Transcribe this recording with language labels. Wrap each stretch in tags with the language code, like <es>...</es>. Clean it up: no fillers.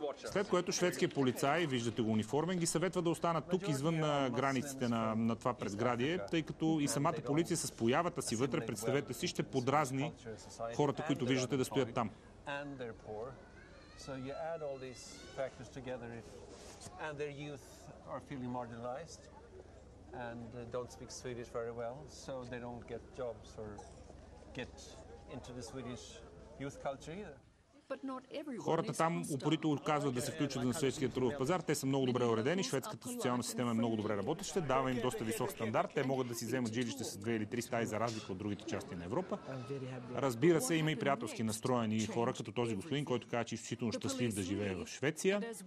<bg>След което шведският полицай, виждате го униформен, ги съветва да останат тук извън на границите на това предградие, тъй като и самата полиция с появата си вътре, представете си, ще подразни хората, които виждате да стоят там.</bg> <en>And they're poor. So you add all these factors together and their youth are feeling marginalized and don't speak Swedish very well, so they don't get jobs or get into the Swedish youth culture either.</en> <bg>Хората там упорито казват да се включат на шведския трудов пазар. Те са много добре уредени, шведската социална система е много добре работеща, дава им доста висок стандарт, те могат да си вземат жилище с 2 или 3 стаи за разлика от другите части на Европа. Разбира се, има и приятелски настроени хора, като този господин, който казва, че е изключително щастлив да живее в Швеция.</bg>